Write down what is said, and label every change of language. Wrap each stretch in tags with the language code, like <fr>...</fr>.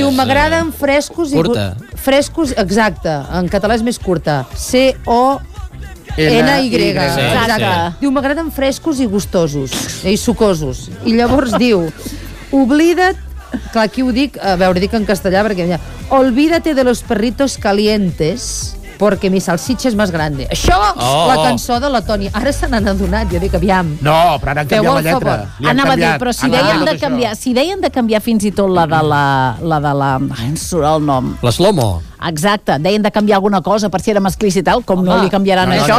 <ca>Diu, m'agraden frescos curta. I... Curta. Frescos, exacte, en català és més curta. C-O... N-Y. Diu, m'agraden frescos i gustosos, i sucosos. I llavors diu, oblida't... Clar, aquí ho dic, a veure, dic en castellà, perquè...</ca> <es>Ja, olvídate de los perritos calientes, porque mi salsicha es más grande.</es> <ca>Això, la cançó de Letònia. Ara se n'han adonat, jo dic, aviam. No, però ara han canviat la lletra. Anava a dir, però si deien de canviar fins i tot la de la... Ai, em surt el nom. L'Slomo. Exacte, deien de canviar alguna cosa per si era masclista i tal, com home, no li canviaran no, això?</ca>